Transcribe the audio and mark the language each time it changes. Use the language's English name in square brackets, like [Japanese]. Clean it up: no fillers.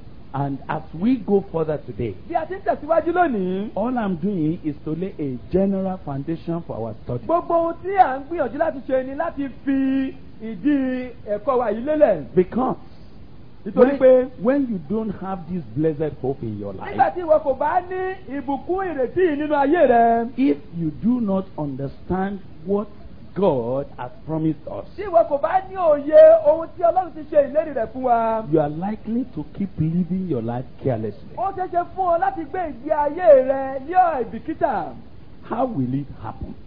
[English] And as we go further today, [Yoruba] bí a ti ń tẹ̀síwájú lónìí, [English] all I'm doing is to lay a general foundation for our study. [Yoruba] Gbogbo ohun tí a ń gbìyànjú láti ṣe ni láti fi ìdí ẹ̀kọ́ wa yìí lélẹ̀. [English] Because when you don't have this blessed hope in your life, [Yoruba] nígbà tí ìwọ kò bá ní ìbùkún ìrètí nínú ayé rẹ, [English] if you do not understand what God has promised us. [Yoruba] Ṣé ìwọ kò bá ní òye ohun tí Ọlọ́run ti ṣe ìlérí rẹ̀ fún wa? [English] You are likely to keep living your life carelessly. [Yoruba] Ó ṣeé ṣe fún ọ láti gbé ìgbé ayé rẹ ní àìbìkítà. [English] How will it happen?